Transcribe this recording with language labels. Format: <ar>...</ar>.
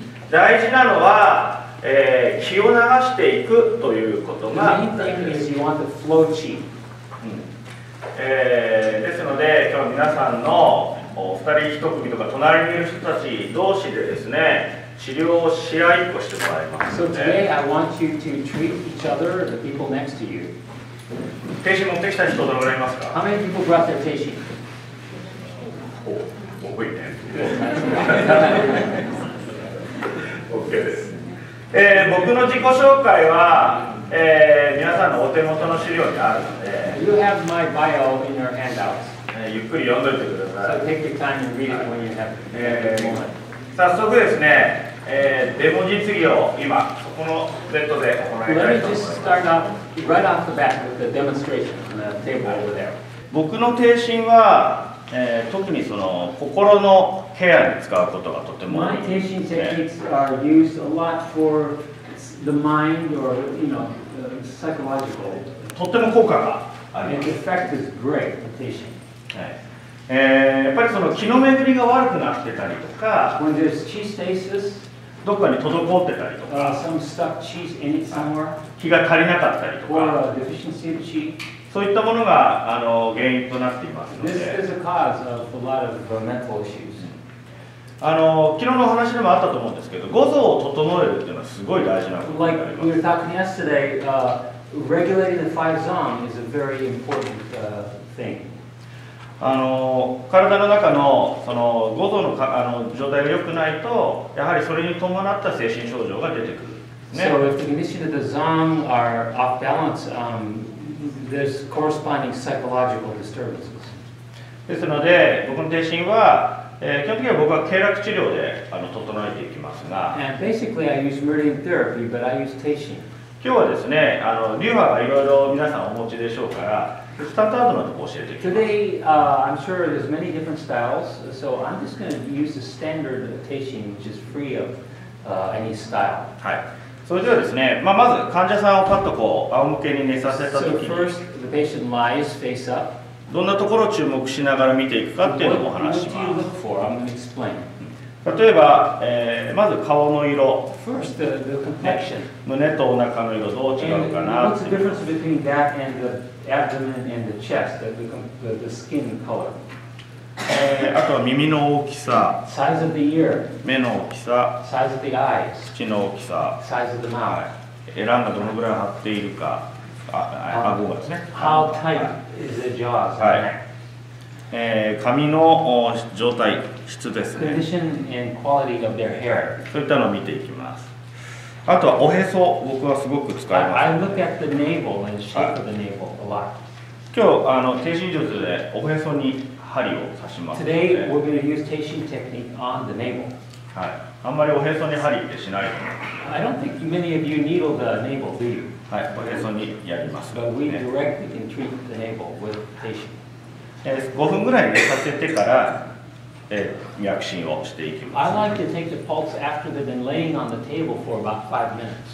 <ja>大事なのは、気を流していくということが大事です。</ja> <en>The main thing is you want to flow qi.</en> <ja>ですので、今日皆さんのお二人一組とか隣にいる人たち同士でですね、治療を試合っこしてもらいます。</ja> <en>So today I want you to treat each other, the people next to you.</en> <ja>停止持ってきた人どのくらいいますか？</ja> <en>How many people brought their 停止？</en> <ja>お、覚えてる。 OK です。僕の自己紹介は、皆さんのお手元の資料にあるので。</ja> <en>You have my bio in your handouts.</en> <ja>ゆっくり読んでおいてください。</ja> <en>So take your time and read it when you have a moment.</en> <ja>早速ですね、デモ実技を今、ここのベッドで行いたいと思います。</ja> <en>Let me just start off right off the bat with the demonstration on the table over there.</en> <ja>僕の定心は、特にその心のケアに使うことがとてもいいですね。</ja> <en>My 定心 techniques are used a lot for the mind or, you know, psychological.</en> <ja>とても効果があります。</ja> <en>The effect is great, the 定心。</en> <ja>はい、やっぱりその気の巡りが悪くなってたりとか、</ja> <en>When there's qi stasis,</en> <ja>どこかに滞ってたりとか、</ja> <en>some stuck qi in it somewhere,</en> <ja>気が足りなかったりとか、</ja> <en>or a deficiency of qi,</en> <ja>そういったものが原因となっていますので、</ja> <en>This is a cause of a lot of mental issues.</en> <ja>昨日の話でもあったと思うんですけど、五臓を整えるっていうのはすごい大事なことになります。</ja> <en>Like we were talking yesterday, regulating the five zones is a very important thing.</en> <ja>体の中 その五臓 の状態が良くないと、やはりそれに伴った精神症状が出てくるんですね。</ja> <en>So if the condition of the zan are off balance, there's corresponding psychological disturbances.</en> <ja>ですので、僕の定心は、基本的には僕は経絡治療で整えていきますが、</ja> <en>And basically I use meridian therapy, but I use 定心。</en> <ja>今日はですね、流派がいろいろ皆さんお持ちでしょうから、スタンダードのとこ教えていきます。</ja> <en>Today, I'm sure there's many different styles, so I'm just going to use the standard teishin, which is free of any style.</en> <ja>はい。それではですね、まず患者さんをパッとこう仰向けに寝させたときに、</ja> <en>So first, the patient lies face up.</en> <ja>どんなところを注目しながら見ていくかっていうのをお話します。</ja> <en>What do you look for? I'm going to explain.</en> <ja>例えば、まず顔の色。</ja> <en>First, the complexion.</en> <ja>胸とお腹の色、どう違うかな。</ja> <en>And what's the difference between that and theabdomen and the chest, the skin color.</en> <ja>あとは耳の大きさ。</ja> <en>Size of the ear.</en> <ja>目の大きさ。</ja> <en>Size of the eyes.</en> <ja>口の大きさ。</ja> <en>Size of the mouth.</en> <ja>はい。ランがどのぐらい張っているか。顎がですね。</ja> <en>How tight is the jaws?</en> <ja>はい。髪の状態、質ですね。</ja> <en>Condition and quality of their hair.</en> <ja>そういったのを見ていきます。あとはおへそ、僕はすごく使います。</ja> <en>I look at the navel and shape of the navel a lot.</en> <ja>今日、定心術でおへそに針を刺しますので。</ja> <en>Today, we're going to use 定心 technique on the navel.</en> <ja>はい。あんまりおへそに針ってしないと。</ja> <en>I don't think many of you needle the navel, do you?</en> <ja>はい、おへそにやります。</ja> <en>But we directly can treat the navel with 定心。</en> <ja>5分ぐらい寝かせてから、脈診をしていきます。</ja> <en>I like to take the pulse after they've been laying on the table for about 5 minutes.</en>